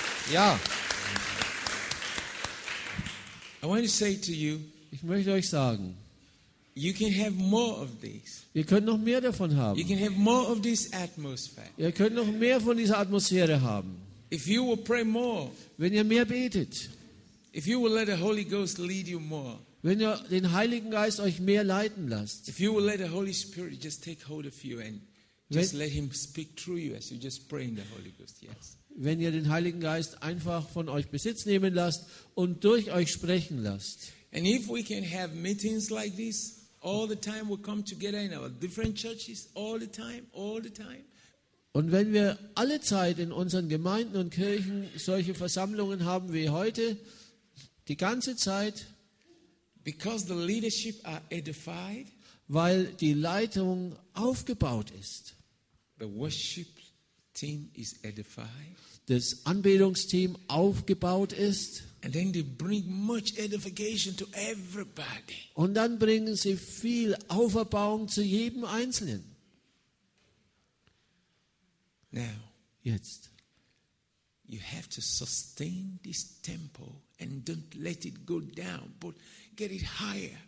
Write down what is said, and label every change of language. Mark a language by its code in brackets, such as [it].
[de] Ja. [en] I want to say to you, [de] ich möchte euch sagen, [en] you can have more of this. [de] Ihr könnt noch mehr davon haben. [en] You can have more of this atmosphere. [de] Ihr könnt noch mehr von dieser Atmosphäre haben. [en] If you will pray more, [de] wenn ihr mehr betet. [en] If you will let the Holy Ghost lead you more, [de] wenn ihr den Heiligen Geist euch mehr leiten lasst. [en] If you will let the Holy Spirit just take hold of you and just let him speak through you as you just pray in the Holy Ghost. Yes. [de] Wenn ihr den Heiligen Geist einfach von euch Besitz nehmen lasst und durch euch sprechen lasst. [en] And if we can have meetings like this all the time, we come together in our different churches all the time. [de] Und wenn wir alle Zeit in unseren Gemeinden und Kirchen solche Versammlungen haben wie heute, die ganze Zeit, [en] because the leadership are edified, [de] weil die Leitung aufgebaut ist. [en] The worship team is edified. [de] Das Anbetungsteam aufgebaut ist. [en] And then they bring much edification to everybody. [de] Und dann bringen sie viel Auferbauung zu jedem Einzelnen. [en] Now, [de] jetzt. [en] You have to sustain this temple and don't let it go down, but get it higher.